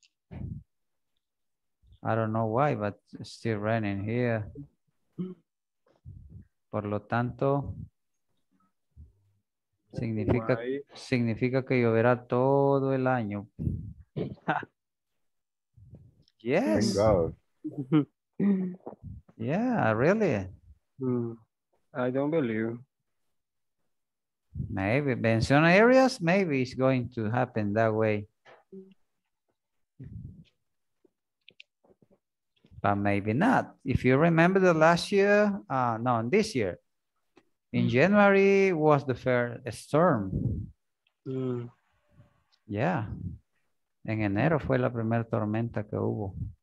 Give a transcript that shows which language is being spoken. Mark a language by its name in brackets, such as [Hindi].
[English] I don't know why, but it's still raining here. [Spanish] Por lo tanto, significa que lloverá todo el año. [English] Yes. Thank God. Yeah, really? I don't believe. Maybe. In some areas, maybe it's going to happen that way. But maybe not. If you remember the last year, this year, in January was the first storm. Yeah. [Spanish] En enero fue la primera tormenta que hubo.